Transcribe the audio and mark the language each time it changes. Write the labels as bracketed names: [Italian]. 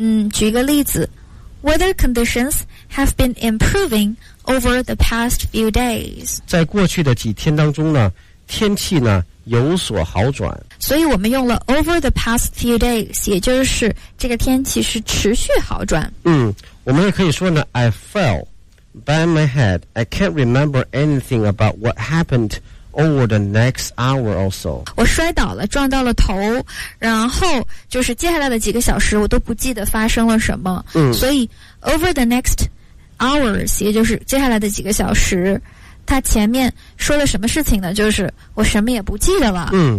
[Chinese] 举一个例子， [English] Weather conditions have been improving over the past few days. [Chinese] 在过去的几天当中呢，天气呢有所好转。所以我们用了 [English] over the past few days， [Chinese] 也就是这个天气是持续好转。我们也可以说呢， [English] I fell by my head. I can't remember anything about what happened over the next hour or so. [Chinese] 我摔倒了，撞到了头，然后就是接下来的几个小时我都不记得发生了什么。所以 [English] over the next hours [Chinese] 也就是接下来的几个小时，他前面说了什么事情呢，就是我什么也不记得了。